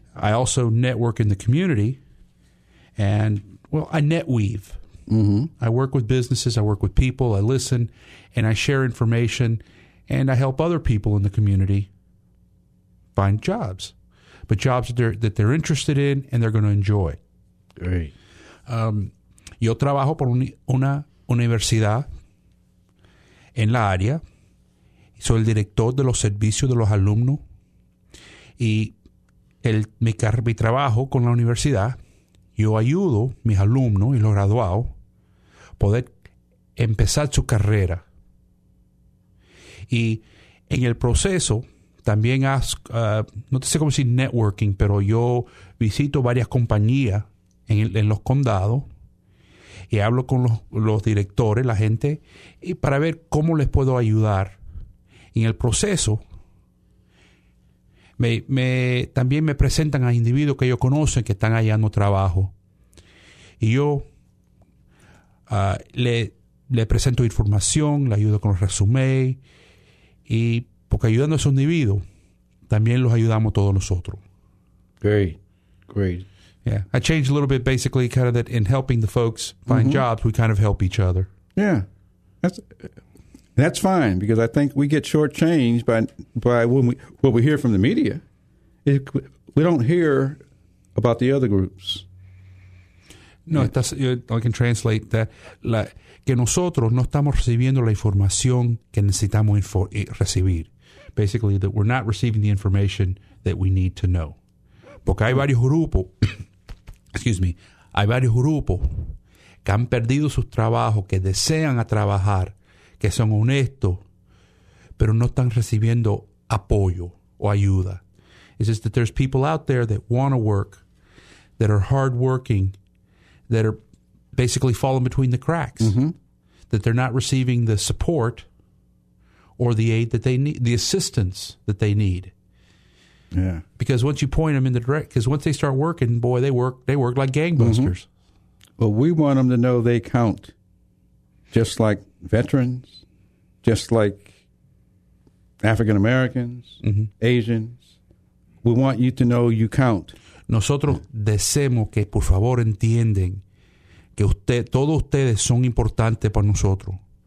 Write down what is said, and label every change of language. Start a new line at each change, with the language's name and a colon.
English: I also network in the community, and, well, I net weave. Mm-hmm. I work with businesses, I work with people, I listen, and I share information, and I help other people in the community find jobs, but jobs that they're interested in and they're going to enjoy. Great.
Spanish: Yo trabajo por una universidad en la área. Soy el director de los servicios de los alumnos. Y mi trabajo con la universidad, yo ayudo a mis alumnos y los graduados poder empezar su carrera. Y en el proceso también hago, no sé cómo decir networking, pero yo visito varias compañías en los condados y hablo con los directores, la gente, y para ver cómo les puedo ayudar. En el proceso, también me presentan a individuos que ellos conocen que están hallando trabajo. Y yo le presento información, le ayudo con los resumés, y porque ayudando a esos individuos, también los ayudamos todos nosotros.
English: Great. Yeah, I changed a little bit, basically, kind of that in helping the folks find mm-hmm. jobs, we kind of help each other. Yeah, that's fine, because I think we get shortchanged by what we hear from the media. We don't hear about the other groups. No, I can translate that.
Spanish: Que nosotros no estamos recibiendo la información que necesitamos recibir.
English: Basically, that we're not receiving the information that we need to know.
Spanish: Porque hay varios grupos...
English: Excuse me.
Spanish: Hay varios grupos que han perdido sus trabajos, que desean a trabajar, que son honestos, pero no están recibiendo apoyo o ayuda.
English: It's just that there's people out there that want to work, that are hardworking, that are basically falling between the cracks. Mm-hmm. that they're not receiving the support or the aid that they need, the assistance that they need. Yeah. Because once you point them in the direct, because once they start working, boy, they work like gangbusters. Mm-hmm. Well, we want them to know they count, just like veterans, just like African Americans, mm-hmm. Asians. We want you to know you count.
Spanish: Nosotros deseamos que por favor entiendan que usted, todos ustedes son importantes para nosotros.